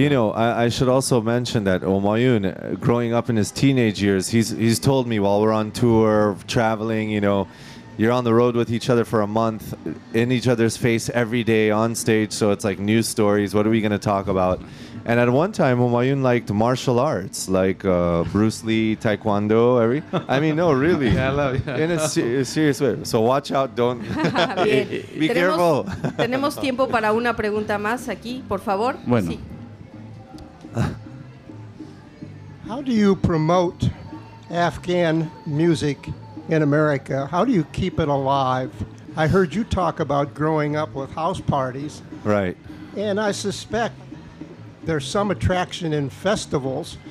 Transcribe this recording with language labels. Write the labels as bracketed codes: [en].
[en] You know, I should also mention that Humayun, growing up in his teenage years, he's told me while we're on tour, traveling, you know, you're on the road with each other for a month, in each other's face every day on stage, so it's like news stories, what are we going to talk about? And at one time, Humayun liked martial arts, like Bruce Lee, Taekwondo, really. Yeah, I love it. In a serious way. So watch out, don't... Be careful. [es] Tenemos tiempo para una pregunta más aquí, por favor. Bueno. [en] How do you promote Afghan music in America? How do you keep it alive? I heard you talk about growing up with house parties. Right. And I suspect there's some attraction in festivals,